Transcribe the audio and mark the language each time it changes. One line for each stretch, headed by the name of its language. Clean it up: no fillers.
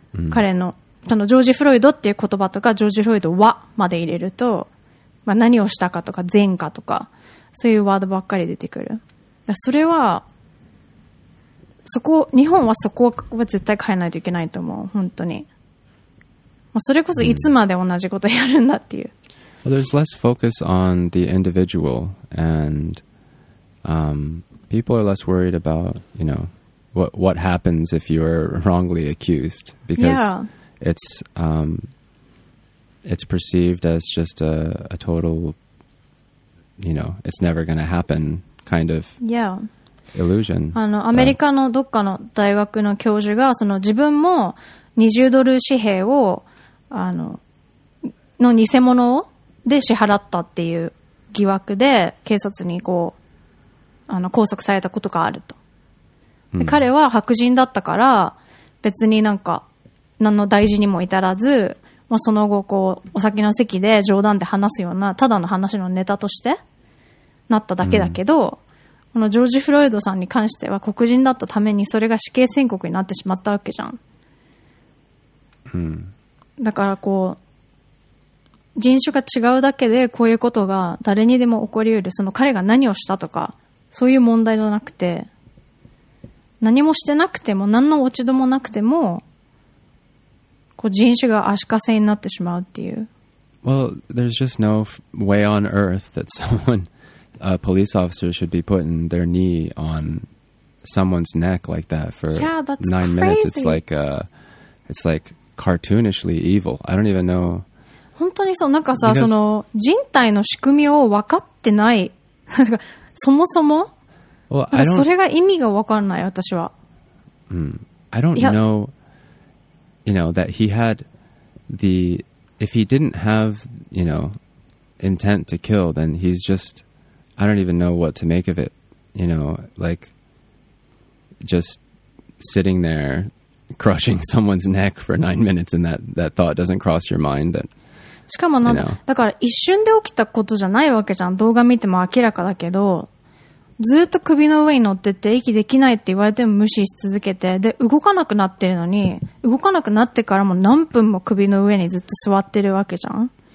Japanese: 彼のそのジョージ・フロイドっていう言葉とかジョージ・フロイドはまで入れると、まあ、何をしたかとか前科とかそういうワードばっかり出てくる。だそれはそこ日本はそこは絶対変えないといけないと思う本当に、まあ、それこそいつまで同じことやるんだっていう、
English: うん、There's less focus on the individual and people are less worried about, you know, what happens if you're wrongly accused because it's perceived as just a total, you know, it's never going to happen kind of illusion.
Japanese: アメリカのどっかの大学の教授がその自分も20ドル紙幣をの偽物で支払ったっていう疑惑で警察にこう拘束されたことがあると。で、うん、彼は白人だったから別になんか何の大事にも至らず、まあ、その後こうお酒の席で冗談で話すようなただの話のネタとしてなっただけだけど、うん、このジョージ・フロイドさんに関しては黒人だったためにそれが死刑宣告になってしまったわけじゃん、うん、だからこう人種が違うだけでこういうことが誰にでも起こり得る。その彼が何をしたとかそういう問題じゃなくて、何もしてなくても、何の落ち度もなくても、こう人種が足かせになってしまうっていう。
English: Well, there's just no way on earth that someone, a police officer should be putting their knee on someone's neck like that for nine minutes. It's like cartoonishly evil. I don't even know.
Japanese: 本当にそう、なんかさ、その人体の仕組みを分かってない。そもそも、それが意味が分かんない私は。
English: I don't know, you know, that he had the, if he didn't have, you know, intent to kill, then he's just, I don't even know what to make of it, you know, like, just sitting there crushing someone's neck for 9 minutes and that thought doesn't cross your mind that,
Japanese: しかもなんか、だから一瞬で起きたことじゃないわけじゃん。動画見ても明らかだけど、ずっと首の上に乗ってて息できないって言われても無視し続けて、で、動かなくなってるのに、動かなくなってからも何分も首の上にずっと座ってるわけじゃん。